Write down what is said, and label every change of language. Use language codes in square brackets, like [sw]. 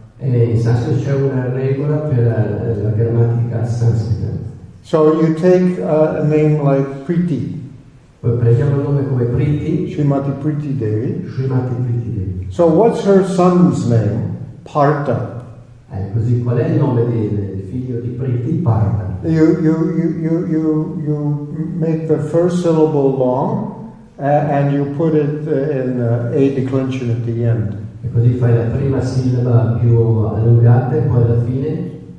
[it] E in Sanskrit c'è una regola per la grammatica sanscrita. [en] So you take a name like Priti. [it] Prendiamo nome come Priti. [sa] Srimati Priti Devi. Srimati Priti Devi. [en] So what's her son's name? Partha. [it] Così qual è il nome del figlio di Priti? [sa] Partha. [en] You make the first syllable long and you put it in a declension at the end. [it] E così fai la prima sillaba più allungata e poi alla fine.